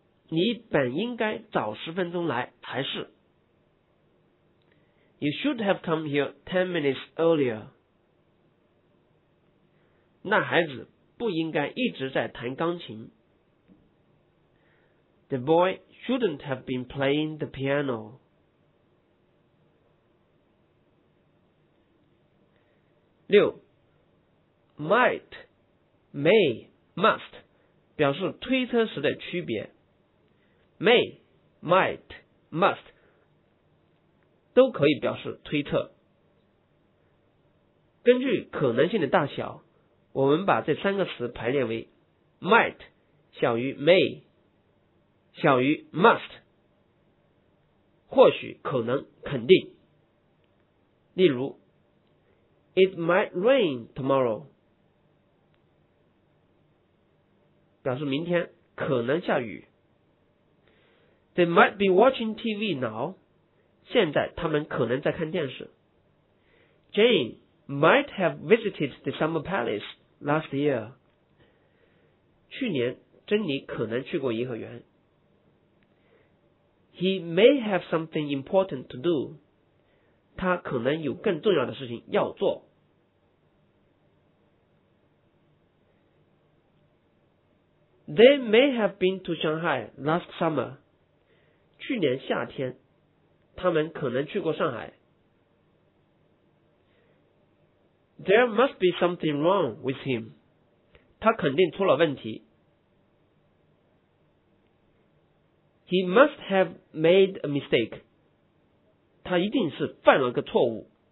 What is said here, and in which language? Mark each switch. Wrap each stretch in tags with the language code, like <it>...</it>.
<zh>你本应该早十分钟来才是。</zh> <en>You should have come here 10 minutes earlier.</en> <zh>那孩子不应该一直在弹钢琴。</zh> <en>The boy shouldn't have been playing the piano.</en> <zh>六 ,might, may, must, 表示推测时的区别。 May, might, must 都可以表示推测。根据可能性的大小，我们把这三个词排列为 might 小于 may 小于 must， 或许、可能、肯定。例如</zh> <en>It might rain tomorrow</en> <zh>表示明天可能下雨。</zh> <en>They might be watching TV now.</en> <zh>现在他们可能在看电视。</zh> <en>Jane might have visited the summer palace last year.</en> <zh>去年珍妮可能去过颐和园。</zh> <en>He may have something important to do.</en> <zh>他可能有更重要的事情要做。</zh> <en>They may have been to Shanghai last summer.</en> <zh>去年夏天他们可能去过上海。</zh> <en>There must be something wrong with him.</en> <zh>他肯定出了问题。</zh> <en>He must have made a mistake.</en> <zh>他一定是犯了个错误。</zh>